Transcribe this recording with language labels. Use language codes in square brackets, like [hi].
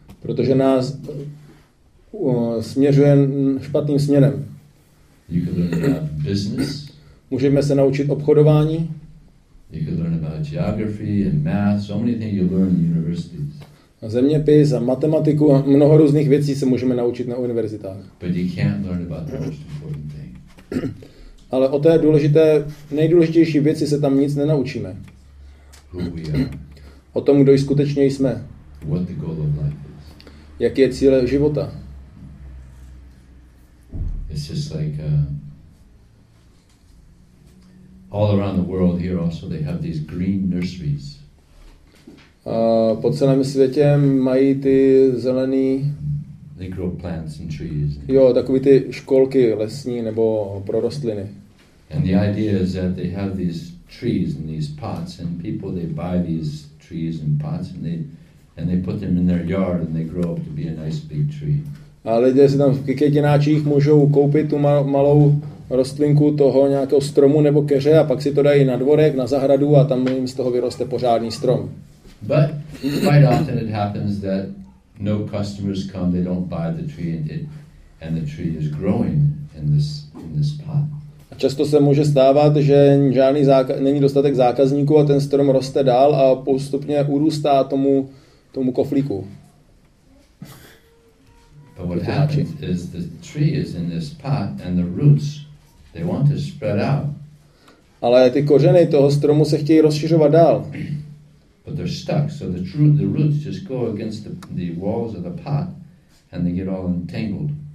[cs] Protože nás směřuje špatným směrem. [en] You can learn about business. [cs] Můžeme se naučit obchodování. [en] You can learn about geography and math. So many things you learn in universities. [cs] A zeměpis a matematiku a mnoho různých věcí se můžeme naučit na univerzitách. [en] But you can't learn about the most important thing. [cs] Ale o té důležité, nejdůležitější věci se tam nic nenaučíme. [en] Who we are. [cs] O tom, kdo skutečně jsme. [en] What the goal of life is. [cs] Jaký je cíl života. [en] It's just like all around the world here also they have these green nurseries. [cs] Po celém světě mají ty zelený. [en] They grow plants and trees. [cs] Jo, takový ty školky lesní nebo pro rostliny. [en] And the idea is that they have these trees in these pots, and people, they buy these trees and pots, and they put them in their yard, and they grow up to be a nice big tree. [cs] A lidé si tam v květináčích můžou koupit tu malou rostlinku toho nějakého stromu nebo keře a pak si to dají na dvorek, na zahradu a tam jim z toho vyroste pořádný strom. [en] But quite often it happens that no customers come, they don't buy the tree, and the tree is growing in this pot. [cs] A často se může stávat, že žádný není dostatek zákazníků a ten strom roste dál a postupně urůstá tomu koflíku. [en] But what happens is the tree is in this pot and the roots, they want to spread out. [cs] Ale ty kořeny toho stromu se chtějí rozšiřovat dál. [en] But they're stuck, so the roots just go against the walls of the pot and they get all entangled.